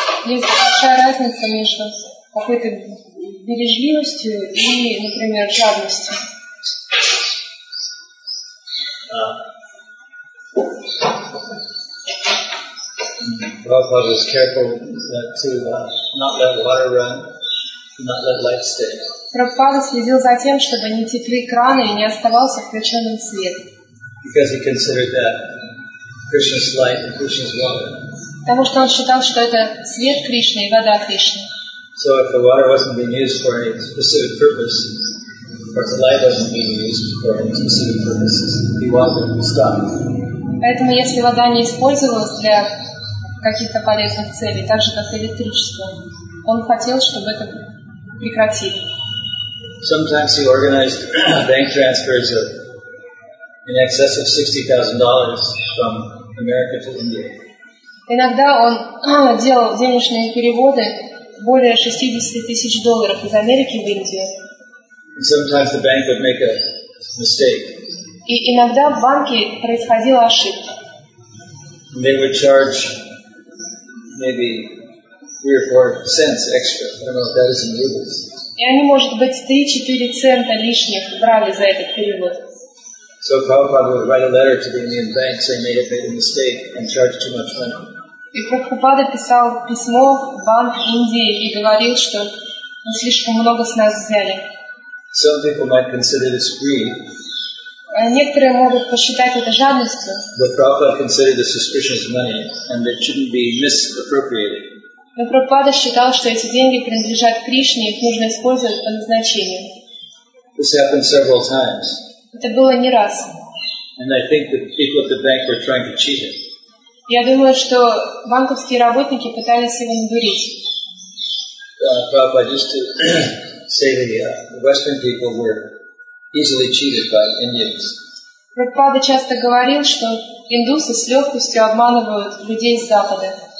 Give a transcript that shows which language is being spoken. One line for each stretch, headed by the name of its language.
Russian: Есть большая разница между какой-то бережливостью и, например, жадностью.
English: Prabhupada was careful to not let water run, not let light stay.
Russian: Прабхупада следил за тем, чтобы не текли краны и не оставался включенным свет.
English: Because he considered that Krishna's light and Krishna's water.
Russian: Потому что он считал, что это свет Кришны и вода Кришны.
English: So if the water wasn't being used for any specific purpose, or if the light wasn't being used for any specific purposes, he wanted to stop.
Russian: Поэтому если вода не использовалась для каких-то полезных целей, так же как электричество, он хотел, чтобы это прекратили.
English: Sometimes he organized bank transfers of in excess of $60,000 from America to India.
Russian: Иногда он делал денежные переводы более 60,000 долларов из Америки в Индию.
English: And sometimes the bank would make a mistake.
Russian: И иногда в банке происходила ошибка.
English: And they would charge maybe 3 or 4 cents extra. I don't know if that is in rubles.
Russian: И они, может быть, 3-4 цента лишних брали за этот перевод.
English: So Prabhupada would write a letter to the Indian bank saying they had made a mistake and charged too much money.
Russian: И Прабхупада писал письмо в банк Индии и говорил, что мы слишком много с нас взяли.
English: Some people might consider this greed.
Russian: Некоторые могут посчитать это жадностью.
English: But Prabhupada considered this suspicious money and it shouldn't be misappropriated.
Russian: Но Прабхупада считал, что эти деньги принадлежат Кришне, их нужно использовать по назначению.
English: This happened several times.
Russian: Это было не раз.
English: And I think that people at the bank were trying to cheat him.
Russian: Я думаю, что банковские работники пытались его надурить.
English: Prabhupada used to say that the Western people were easily cheated by Indians.
Russian: Прабхупада часто говорил, что индусы с легкостью обманывают людей с Запада.